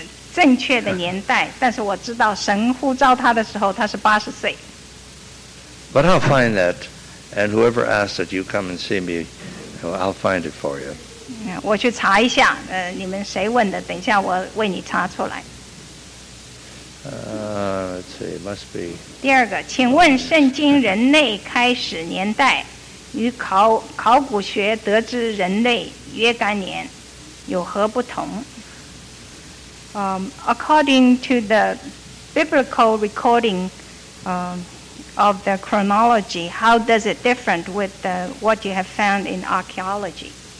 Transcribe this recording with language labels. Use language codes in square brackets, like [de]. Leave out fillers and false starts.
[zh] 我不能够给你正确的年代, 但是我知道神呼召他的时候他是80岁。 [en] But I'll find that, and whoever asks that you come and see me, I'll find it for you. [zh] 我去查一下, 你们谁问的, 等一下我为你查出来。 [en] Let's see, it must be. [zh] 第二个, 请问圣经人类开始年代, 与考古学得知人类约干年, 有何不同? [en] According to the biblical recording of the chronology, how does it differ with what you have found in archaeology?